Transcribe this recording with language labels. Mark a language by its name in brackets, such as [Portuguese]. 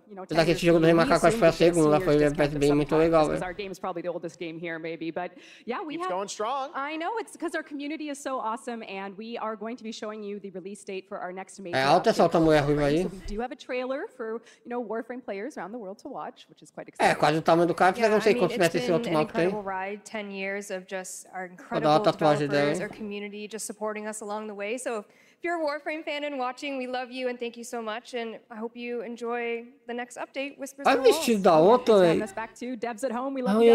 [Portuguese] Daqui esse jogo do Rei Macaco acho que foi a segunda, foi bem muito legal, velho. [English] Our game is probably the oldest game here, maybe, but yeah, we have. It's going strong. I know, it's because our community is so awesome, and we are going to be showing you the release date for our next major. [Portuguese] É alta essa outra mulher ruiva aí. [English] So we do have a trailer for, you know, Warframe players around the world to watch, which is quite exciting. [Portuguese] É quase o tamanho do cara, não sei quantos metros esse outro mal que tem. [English] Ride 10 years of just our incredible developers, our community just supporting us along the way, so. If you're a Warframe fan and watching, we love you and thank you so much. And I hope you enjoy the next update. Whispers. I missed you, [Portuguese] da outra. [English] Let's back to devs at home. We love you.